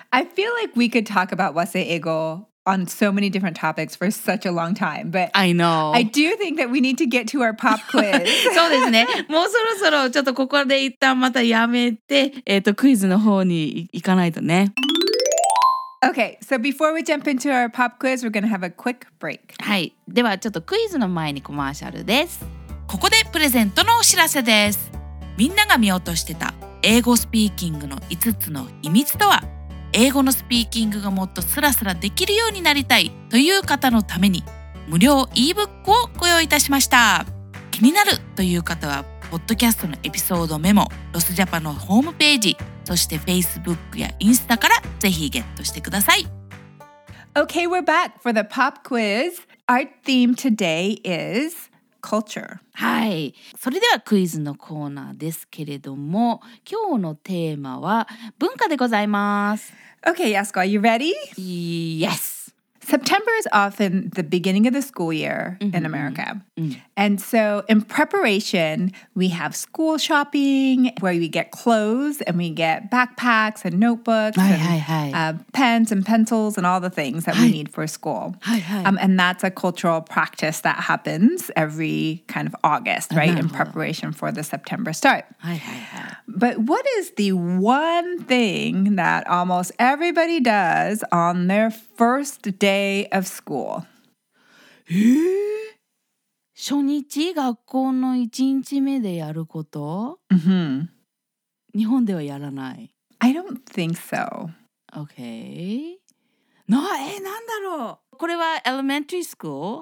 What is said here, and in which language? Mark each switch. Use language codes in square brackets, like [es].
[en] I feel like we could talk about 和製英語 on so many different topics for such a long time. But I know. I do think that we need to get to our pop quiz. [ja] そうですね。もうそろそろちょっとここで一旦またやめて、クイズの方に行かないとね。 [en] Okay, so before we jump into our pop quiz, we're going to have a quick break. [ja] はい、ではちょっとクイズの前にコマーシャルです。ここでプレゼントのお知らせです。みんなが見落としてた英語スピーキングの5つの秘密とは、英語のスピーキングがもっとスラスラできるようになりたいという方のために、無料 e-book をご用意いたしました。気になるという方は、ポッドキャストのエピソードメモ、ロスジャパのホームページ、そして Facebook や Instagram からぜひゲットしてください。 [en] Okay, we're back for the pop quiz. Our theme today is culture. [ja] はい。それではクイズのコーナーですけれども、今日のテーマは文化でございます。 [en] Okay, Yasuko, are you ready? Yes! September is often the beginning of the school year in America. And so in preparation, we have school shopping where we get clothes and we get backpacks and notebooks pens and pencils and all the things that we need for school. And that's a cultural practice that happens every kind of August, right? In preparation for the September start. But what is the one thing that almost everybody does on their first day of school? [ja] 初日学校の一日目でやること、 mm-hmm. 日本ではやらない [en] I don't think so [ja] Okay な、なんだろうこれは [en] elementary school?